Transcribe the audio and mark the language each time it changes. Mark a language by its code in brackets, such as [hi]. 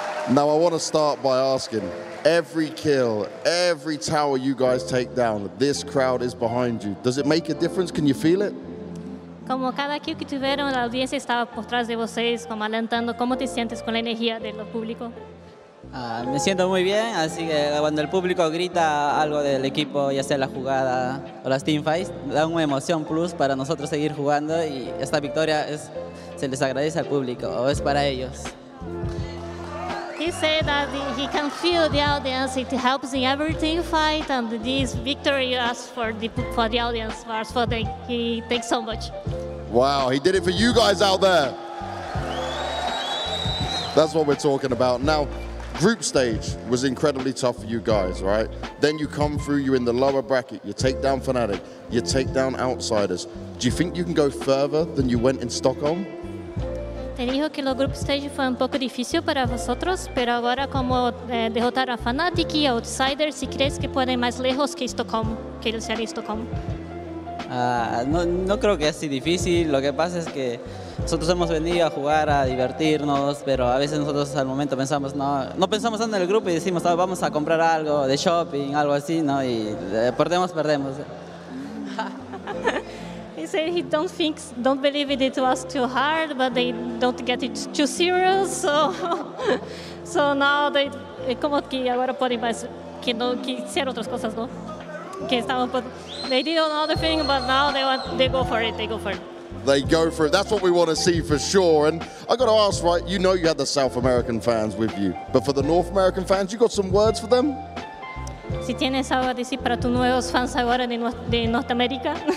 [en] Now, I want to start by asking, every kill, every tower you guys take down, this crowd is behind you. Does it make a difference? Can you feel it? [es] Como cada kill que tuvieron, la audiencia estaba [pt] por trás de vocês, [es] como alentando, ¿cómo te sientes con la energía del público? Me siento muy bien, así que cuando el público grita algo del equipo, ya sea la jugada o las teamfights, da una emoción plus para nosotros seguir jugando y esta victoria es, se les agradece al público, o es para ellos. [en] He said that he can feel the audience, it helps in every team fight, and this victory is for the audience, for the, he thanks so much. Wow, he did it for you guys out there. That's what we're talking about. Now, group stage was incredibly tough for you guys, right? Then you come through, you're in the lower bracket, you take down Fnatic, you take down Outsiders. Do you think you can go further than you went in Stockholm? [es] Él dijo que los group stage fue un poco difícil para vosotros, pero ahora como derrotar a Fnatic y Outsiders, si crees que pueden más lejos que Stockholm, que el ser Stockholm. No creo que sea así difícil, lo que pasa es que nosotros hemos venido a jugar, a divertirnos, pero a veces nosotros al momento pensamos, no pensamos en el grupo y decimos, oh, vamos a comprar algo de shopping, algo así, ¿no? Y perdemos. [en] He said he don't believe it was too hard, but they don't get it too serious, so now they, [es] como que ahora pueden más, que no, que hacer otras cosas, ¿no? Que estaban, [en] but they did another thing, but now they go for it. They go for it. That's what we want to see for sure. And I got to ask, right, you know you had the South American fans with you, but for the North American fans, you got some words for them? [es] Si tienes algo a decir para tus nuevos fans ahora de Norteamérica.